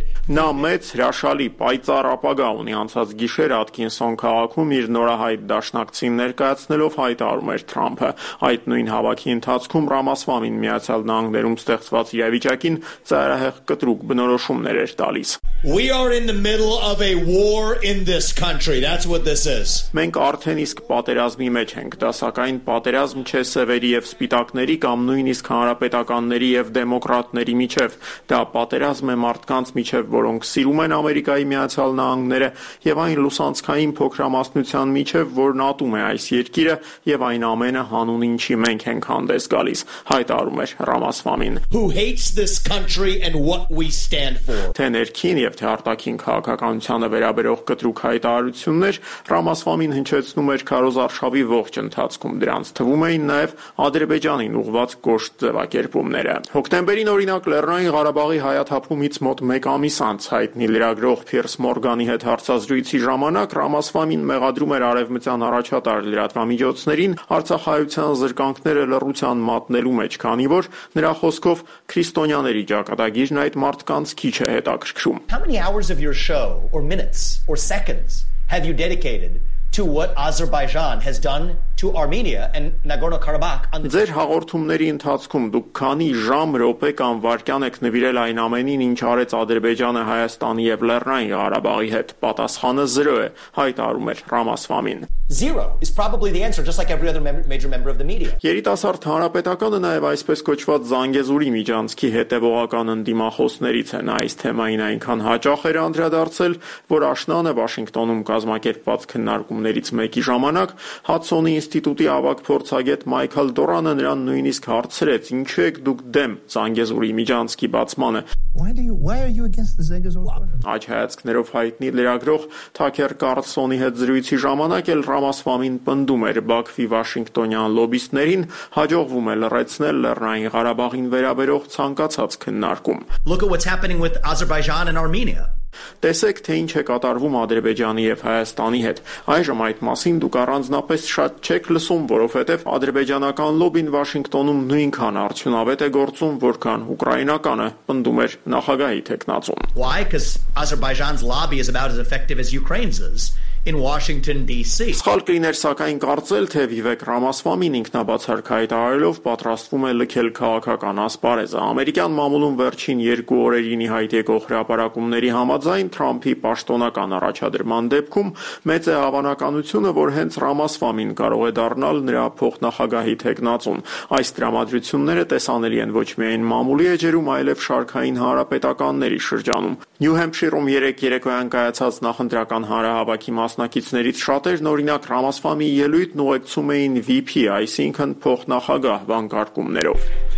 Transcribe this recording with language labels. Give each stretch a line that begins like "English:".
Armenian: Նա մեծ հրաշալի պայծառ ապագա ունի, անցած գիշեր Ատքինսոն քաղաքում իր նորահայտ դաշնակցին ներկայացնելով հայտարարում էր Թրամփը։ Այդ նույն հավաքի ընթացքում Ռամասվամին Միացյալ Նահանգներում ստեղծված իրավիճակին ծայրահեղ կտրուկ բնորոշումներ էր տալիս։
English: We are in the middle of a war in this country. That's what this is.
Armenian: Մենք արդեն իսկ պատերազմի մեջ ենք, դա սակայն պատերազմ չէ սևերի և սպիտակների կամ նույնիսկ հանրապետականների և դեմոկրատների միջև, դա պատերազմ է մարդկանց միջև, որոնք սիրում են Ամերիկայի Միացյալ Նահանգները և այն լուսանցքային փոքրամասնության միջև, որն ատում է այս երկիրը և այն ամենը, հանուն ինչի մենք ենք հանդես գալիս, հայտարարում էր Ռամասվամին։
English: Who hates this country and what we stand for.
Armenian: Թե ներքին և թե արտաքին քաղաքականությանը վերաբերող կտրուկ հայտարարություններ Ռամասվամին հնչեցնում էր Քարոզ արշավի ողջ ընթացքում, դրանց թվում էին նաև Ադրբեջանին ուղված կոշտ ձևակերպումները։ Հոկտեմբերին, օրինակ, Լեռնային Ղարաբաղի հայաթափումից մոտ մեկ ամիս անց հայտնի լրագրող Փիերս Մորգանի հետ հարցազրույցի ժամանակ Ռամասվամին մեղադրում էր արևմտյան առաջատար լրատվամիջոցներին արցախայության զրկանքները լռության մատնելու մեջ, քանի որ նրա խոսքով քրիստոնյաների ճակատագիրն այդ մարդկանց քիչ է հետաքրքրում։
English: How many hours of your show or minutes or seconds have you dedicated to what Azerbaijan has done to Armenia and Nagorno-Karabakh.
Armenian: Ձեր հաղորդումների ընթացքում դուք քանի ժամ, րոպե կամ վայրկյան եք նվիրել այն ամենին, ինչ արեց Ադրբեջանը Հայաստանի եւ Լեռնային Ղարաբաղի հետ։ Պատասխանը 0 է, հայտարարում է Ռամասվամին։
English: Zero is probably the answer, just like every other major member of the media.
Armenian: Երիտասարդ հանրապետականը նաև այսպես կոչված Զանգեզուրի միջանցքի հետևողական ընդդիմախոսներից է, նա այս թեմային այնքան հաճախ էր անդրադարձել, որ Աշնանը Վաշինգտոնում կազմակերպված քննարկումներից մեկի ժամանակ Հատսոնի ինստիտուտի ավագ փորձագետ Մայքլ Դորանը նրան նույնիսկ հարցրեց. Ինչու եք դուք դեմ Զանգեզուրի միջանցքի բացմանը?
English: Why are you against the Zengazor?
Armenian: Այդ հայացքներով հայտնի լրագրող Թաքեր Կարլսոնի հետ զրույցի ժամանակ էլ Ռամասվամին պնդում էր Բաքվի Վաշինգտոնյան լոբիստներին, հաջողվում է լրացնել Լեռնային Ղարաբաղին վերաբերող ցանկացած քննարկում.
English: Look at what's happening with Azerbaijan and Armenia.
Armenian: Տեսեք, թե ինչ է կատարվում Ադրբեջանի եւ Հայաստանի հետ։ Այժմ այդ մասին դուք առանձնապես շատ չեք լսում, որովհետեւ ադրբեջանական լոբին Վաշինգտոնում նույնքան արդյունավետ է գործում, որքան ուկրաինականը, պնդում էր նախագահի թեկնածուն։
English: Why? Cuz Azerbaijan's lobby is about as effective as Ukraine's is. In Washington DC.
Armenian: Սխալքիներ սակայն կարծել թե Վիվեկ Ռամասվամին ինքնաբացար հայտարարելով պատրաստվում է լքել քաղաքական ասպարեզը։ Ամերիկյան մամուլում վերջին 2 օրերին հայտ եկող հրապարակումների համաձայն Թրամփի պաշտոնական առաջադրման դեպքում մեծ է հավանականությունը, որ հենց Ռամասվամին կարող է դառնալ նրա փոխնախագահի թեկնածուն։ Այս դրամատրությունները տեսանելի են ոչ միայն մամուլի էջերում, այլև շարքային հանրապետականների շրջանում։ Նյու Հեմփշիրում 3-3-ով կայացած նախընտրական հանրահավաքի մասնակիցներից շատերն օրինակ Ռամասվամի ելույթն ուղեկցում էին VP, այսինքն փոխնախագահ վանկարկումներով։